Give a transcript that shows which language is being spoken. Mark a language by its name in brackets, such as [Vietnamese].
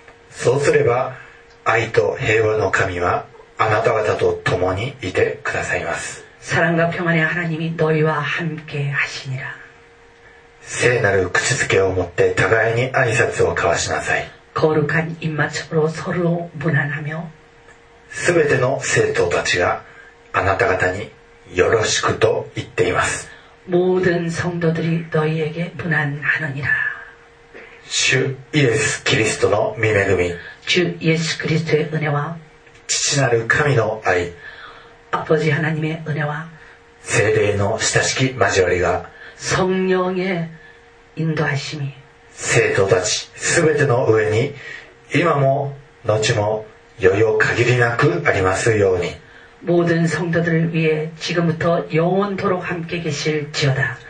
[Japanese] そうすれば愛と平和の神はあなた方と共にいてくださいます。 [Korean] 사랑과평안의하나님이너희와함께하시니라 [Japanese] 聖なる口づけを持って互いに挨拶を交わしなさい [Korean] 거룩한입맞춤으로서로문안하며 [Japanese] すべての聖徒たちがあなた方によろしくと言っています。 [Korean] 모든성도들이너희에게문안하느니라 주예수그리스도의미매금이 주예수그리스도의은혜와 [Japanese] 父なる神の愛 [Korean] 아버지하나님의은혜와 [Japanese] 聖霊の親しき交わりが [Korean] 성령의인도하심이 [Japanese] 聖徒たち全ての上に今も後も余裕限りなくありますように。 [Korean] 모든성도들위해지금부터영원토록함께계실지어다